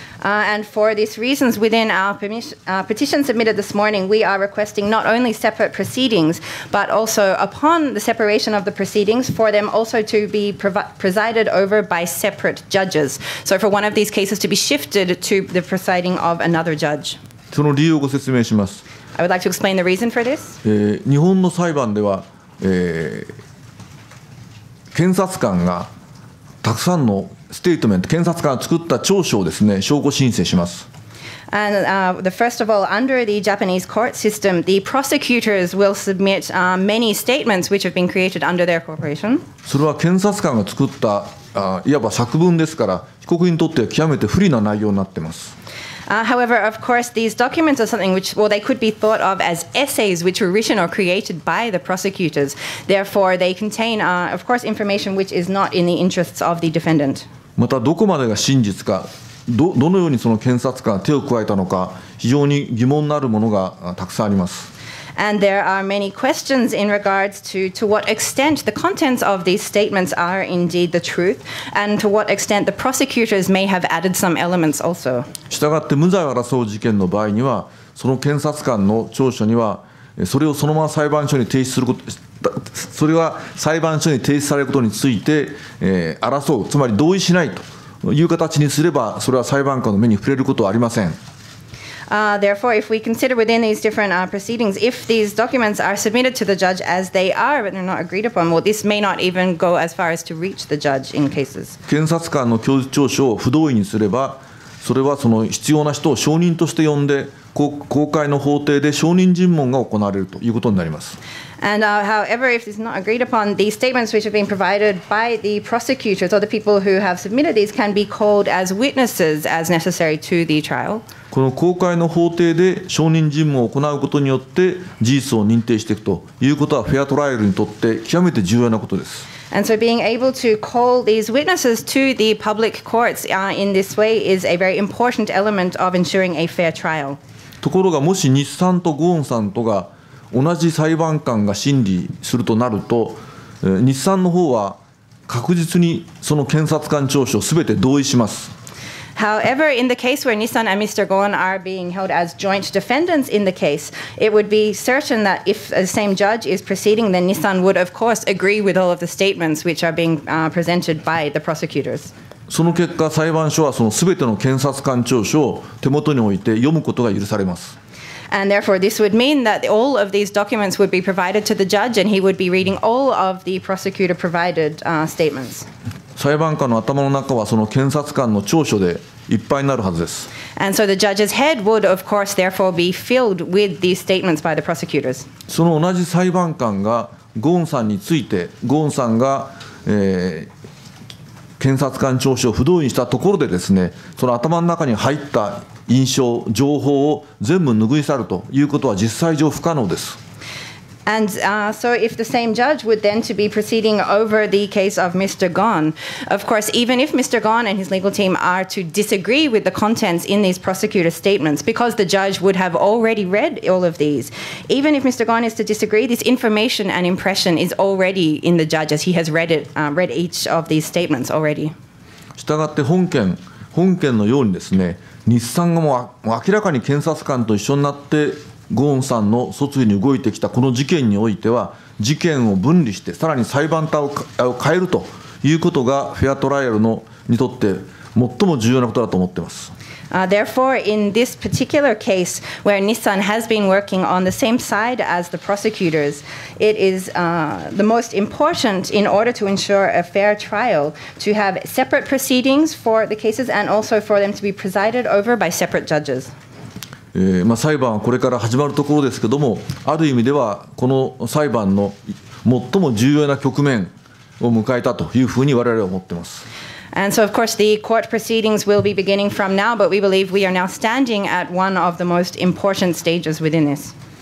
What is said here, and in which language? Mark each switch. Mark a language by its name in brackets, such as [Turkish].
[English] And for these reasons, within our petition submitted this morning, we are requesting not only separate proceedings, but also upon the separation of the proceedings, for them also to be presided over by separate judges. So for one of these cases to be shifted to the presiding of another judge. [Japanese] その理由をご説明します。 [English] I would like to explain the reason for this. [Japanese] 日本の裁判では、検察官がたくさんのステートメント、検察官が作った調書をですね、証拠申請します。 [English] And first of all, under the Japanese court system, the prosecutors will submit many statements which have been created under their cooperation. [Japanese] それは検察官が作ったいわば作文ですから、被告人にとっては極めて不利な内容になっています。 [English] However, of course, these documents are something which, well, they could be thought of as essays which were written or created by the prosecutors. Therefore, they contain, of course, information which is not in the interests of the defendant. [Japanese] また、どこまでが真実か、どのようにその検察官が手を加えたのか、非常に疑問のあるものがたくさんあります。 [English] And there are many questions in regards to what extent the contents of these statements are indeed the truth, and to what extent the prosecutors may have added some elements also. [Japanese] したがって無罪を争う事件の場合には、その検察官の調書には、それをそのまま裁判所に提出すること、それは裁判所に提出されることについて、争う、つまり同意しないという形にすれば、それは裁判官の目に触れることはありません。 [English] Therefore, if we consider within these different proceedings, if these documents are submitted to the judge as they are, but they're not agreed upon, well, this may not even go as far as to reach the judge in cases. [Japanese] 検察官の供述調書を不同意にすれば、それはその必要な人を証人として呼んで、公開の法廷で証人尋問が行われるということになります。 [English] And however, if it's not agreed upon, the statements which have been provided by the prosecutors or the people who have submitted these can be called as witnesses as necessary to the trial. [Japanese] この公開の法廷で証人尋問を行うことによって事実を認定していくということはフェアトライアルにとって極めて重要なことです。 [English] And so being able to call these witnesses to the public courts in this way is a very important element of ensuring a fair trial. [Japanese] ところがもし日産とゴーンさんとが同じ裁判官が審理するとなると、日産の方は確実にその検察官聴取をすべて同意します。 [English] However, in the case where Nissan and Mr. Ghosn are being held as joint defendants in the case, it would be certain that if the same judge is proceeding, then Nissan would of course agree with all of the statements which are being presented by the prosecutors. [Japanese] その結果、裁判所はそのすべての検察官聴取を手元に置いて読むことが許されます。 [English] And therefore, this would mean that all of these documents would be provided to the judge, and he would be reading all of the prosecutor-provided statements. [Japanese] 裁判官の頭の中はその検察官の聴取でいっぱいになるはずです。 [English] And so the judge's head would, of course, therefore be filled with these statements by the prosecutors. [Japanese] その同じ裁判官がゴーンさんについて、ゴーンさんが、検察官聴取を不同意したところでですね、その頭の中に入った印象、情報を全部拭い去るということは実際上不可能です。 [English] And so if the same judge would then to be proceeding over the case of Mr. Ghosn, of course, even if Mr. Ghosn and his legal team are to disagree with the contents in these prosecutor statements, because the judge would have already read all of these, even if Mr. Ghosn is to disagree, this information and impression is already in the judge as he has read it, read each of these statements already. [Japanese] したがって本件のようにですね、日産がもう明らかに検察官と一緒になってゴーンさんの訴追に動いてきたこの事件においては、事件を分離してさらに裁判を変えるということがフェアトライアルのにとって最も重要なことだと思っています。 [English] Therefore, in this particular case where Nissan has been working on the same side as the prosecutors, it is the most important in order to ensure a fair trial to have separate proceedings for the cases and also for them to be presided over by separate judges. [Japanese] 裁判はこれから始まるところですけども、ある意味ではこの裁判の最も重要な局面を迎えたというふうに我々は思っています。 [English] And so, of course, the court proceedings will be beginning from now, but we believe we are now standing at one of the most important stages within this.